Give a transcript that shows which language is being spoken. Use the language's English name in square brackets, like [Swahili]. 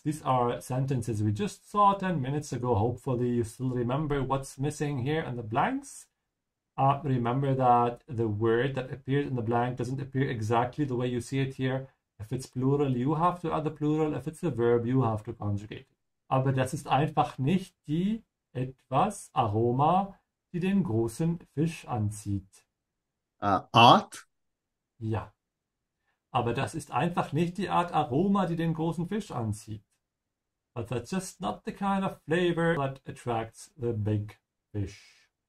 [English] These are sentences we just saw 10 minutes ago. Hopefully you still remember what's missing here in the blanks. Remember that the word that appears in the blank doesn't appear exactly the way you see it here. If it's plural, you have to add the plural. If it's a verb, you have to conjugate it. [German] Aber das ist einfach nicht die etwas Aroma, die den großen Fisch anzieht. Art? Ja. Aber das ist einfach nicht die Art Aroma, die den großen Fisch anzieht. [English] But that's just not the kind of flavor that attracts the big fish.